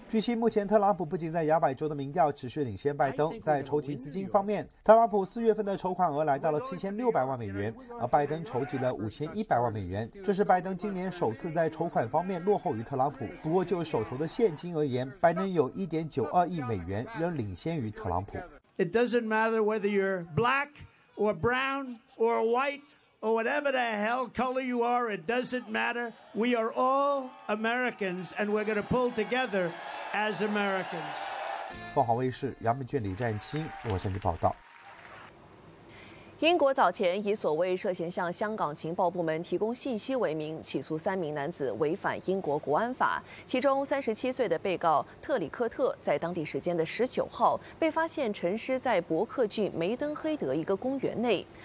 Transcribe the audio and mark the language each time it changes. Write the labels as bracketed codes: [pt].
[zh] 据悉，目前特朗普不仅在摇摆州的民调持续领先拜登，在筹集资金方面，特朗普四月份的筹款额来到了7600万美元，而拜登筹集了5100万美元，这是拜登今年首次在筹款方面落后于特朗普。不过，就手头的现金而言，拜登有1.92亿美元，仍领先于特朗普。 [en] It doesn't matter whether you're black or brown or white or whatever the hell color you are, it doesn't matter. We are all Americans and we're going to pull together as Americans. [zh] 凤凰卫视杨美娟、李占清，洛杉矶报道。英国早前以所谓涉嫌向香港情报部门提供信息为名，起诉三名男子违反英国国安法。其中，37岁的被告特里科特在当地时间的19号被发现沉尸在伯克郡梅登黑德一个公园内。